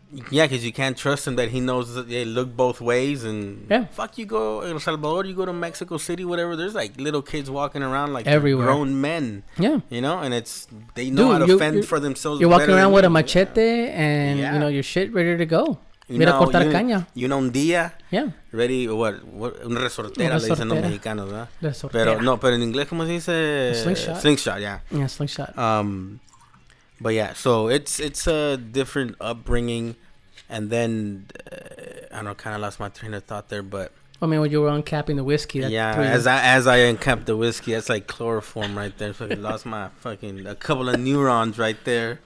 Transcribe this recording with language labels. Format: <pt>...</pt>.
<en>Yeah, because you can't trust him that he knows that they look both ways. And fuck, you go El Salvador, you go to Mexico City, whatever. There's like little kids walking around like everywhere. Grown men. Yeah. You know, and it's they know how to fend for themselves. You're walking around with a machete and, you know, your shit ready to go. You know,</en> <es>un día.</es> <en>Yeah. Ready, what?</en> <es>Un resortera, le dicen los mexicanos, ¿verdad? Resortera. Pero en inglés, ¿cómo se dice?</es> <en>Slingshot. Slingshot, yeah. Yeah, slingshot. But yeah, so it's a different upbringing. And then, I don't know, kind of lost my train of thought there, but. I mean, when you were uncapping the whiskey. That yeah, as I uncapped the whiskey, that's like chloroform right there. So I lost my fucking, a couple of neurons right there.</en>